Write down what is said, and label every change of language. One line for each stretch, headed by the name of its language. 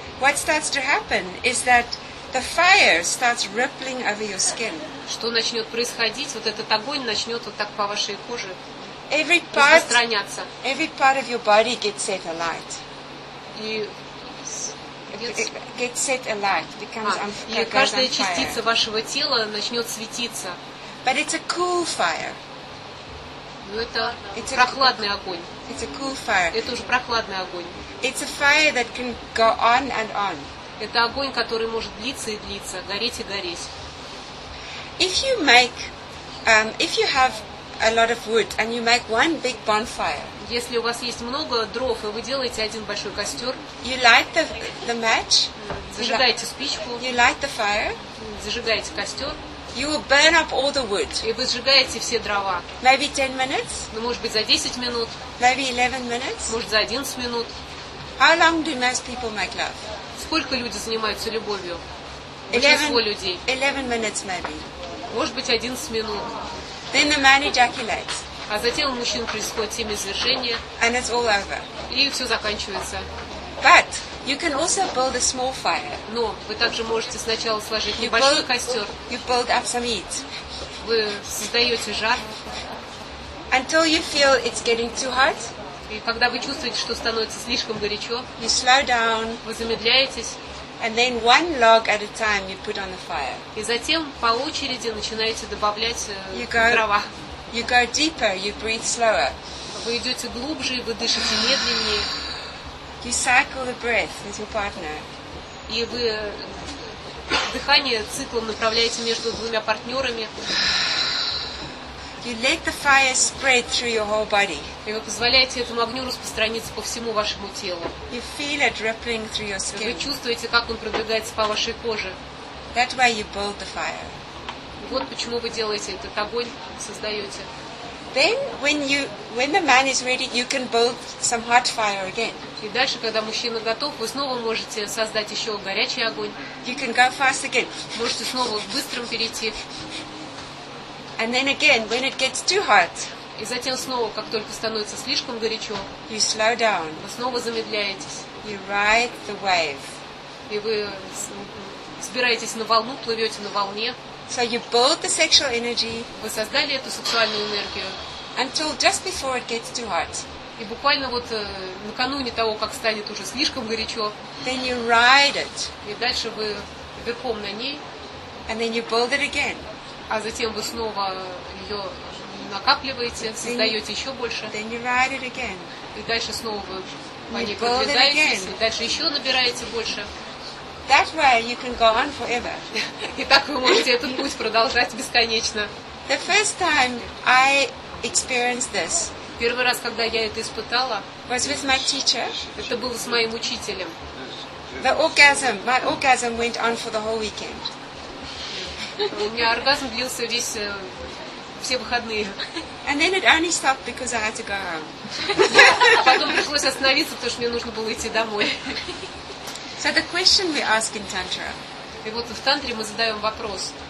English: What starts to happen is that the fire starts rippling over your skin.
Russian: Что начнет происходить? Вот этот огонь начнет вот так по вашей коже.
English: Every part of your body gets set alight.
Russian: И каждая частица вашего тела начнет светиться.
English: But it's a cool fire.
Russian: Но это прохладный огонь.
English: It's a cool fire.
Russian: Это уже прохладный огонь.
English: It's a fire that can go on and on.
Russian: Это огонь, который может длиться и длиться, гореть и гореть.
English: If you have a lot of wood and you make one big bonfire.
Russian: Если у вас есть много дров и вы делаете один большой костёр,
English: you light the match.
Russian: Зажигаете спичку.
English: You light the fire.
Russian: Зажигаете костёр.
English: You will burn up all the wood.
Russian: И вы сжигаете все дрова.
English: Maybe 10 minutes.
Russian: Ну, может быть, за 10 минут.
English: Maybe 11 minutes.
Russian: Может, за 11 минут.
English: How long do most people make love?
Russian: Сколько люди занимаются любовью? Большинство людей.
English: 11 minutes maybe.
Russian: Может быть, 11 минут.
English: Then the man ejaculates.
Russian: А затем у мужчин происходит семяизвержение.
English: And it's all over.
Russian: И все заканчивается.
English: But you can also build a small fire.
Russian: Но вы также можете сначала сложить небольшой костер.
English: You build up some heat.
Russian: Вы создаете жар.
English: Until you feel it's getting too hot.
Russian: И когда вы чувствуете, что становится слишком горячо.
English: You slow down.
Russian: Вы замедляетесь.
English: And then one log at a time you put on the fire.
Russian: И затем по очереди начинаете добавлять дрова.
English: You go deeper, you breathe slower.
Russian: Вы идете глубже, вы дышите медленнее.
English: You cycle the breath with your partner.
Russian: И вы дыхание циклом направляете между двумя партнерами.
English: You let the fire spread through your whole body.
Russian: И вы позволяете этому огню распространиться по всему вашему телу.
English: You feel it rippling through your skin.
Russian: Вы чувствуете, как он продвигается по вашей коже.
English: That way you build the fire.
Russian: Вот почему вы делаете этот огонь, создаете.
English: Then when the man is ready, you can build some hot fire again.
Russian: И дальше, когда мужчина готов, вы снова можете создать еще горячий огонь.
English: You can go fast again.
Russian: Можете снова быстрым перейти.
English: And then again, when it gets too hot,
Russian: и затем снова, как только становится слишком горячо,
English: you slow down.
Russian: Вы снова замедляетесь.
English: You ride the wave.
Russian: И вы собираетесь на волну, плывете на волне.
English: So you build the sexual energy.
Russian: Вы создали эту сексуальную энергию.
English: Until just before it gets too hot.
Russian: И буквально вот накануне того, как станет уже слишком горячо.
English: Then you ride it.
Russian: И дальше вы верхом на ней.
English: And then you build it again.
Russian: А затем вы снова ее накапливаете, создаете еще больше.
English: Then you ride it again.
Russian: И дальше снова вы по ней продвигаетесь. И дальше еще набираете больше.
English: That way you can go on forever.
Russian: И так вы можете этот путь продолжать бесконечно.
English: The first time I experienced this.
Russian: Первый раз, когда я это испытала,
English: was with my teacher.
Russian: Это было с моим учителем.
English: The orgasm, my orgasm went on for the whole weekend.
Russian: У меня оргазм длился все выходные.
English: And then it only stopped because I had to go home.
Russian: Потом пришлось остановиться, потому что мне нужно было идти домой.
English: So the question we ask in Tantra.
Russian: И вот в Тантре мы задаем вопрос.